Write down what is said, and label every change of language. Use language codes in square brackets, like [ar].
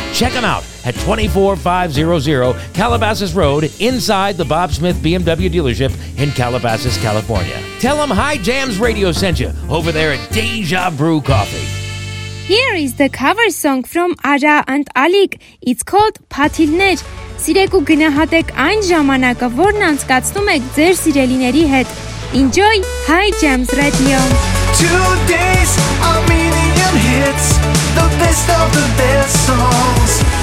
[en] Check them out at 24500 Calabasas Road inside the Bob Smith BMW dealership in Calabasas, California. Tell them Hi Jams Radio sent you over there at Deja Brew Coffee. Here is the cover song from Ara and Alik. It's called Patilner. [hy] Սիրեք ու գնահատեք այն ժամանակը, որն անցկացնում եք ձեր սիրելիների հետ։ [en] Enjoy Hi Jams Radio. Two days, a million hits, the best of the best songs.